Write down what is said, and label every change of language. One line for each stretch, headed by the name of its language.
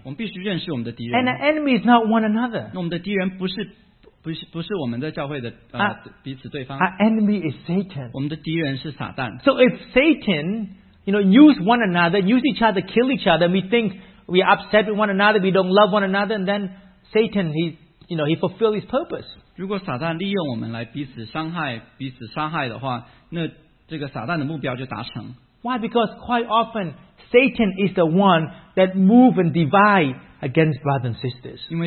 Chinese: 我们必须认识我们的敌人。
English: And an enemy is not one another.
Chinese: 那我们的敌人不是我们的教会的彼此对方。
English: Our enemy is Satan.
Chinese: 我们的敌人是撒旦。
English: So if Satan, you know, use one another, use each other, kill each other, we think we are upset with one another, we don't love one another, and then Satan, he fulfills his purpose.
Chinese: 如果撒旦利用我们来彼此伤害、彼此杀害的话，那这个撒旦的目标就达成。
English: Why? Because quite often Satan is the one that move and divide against brothers and sisters.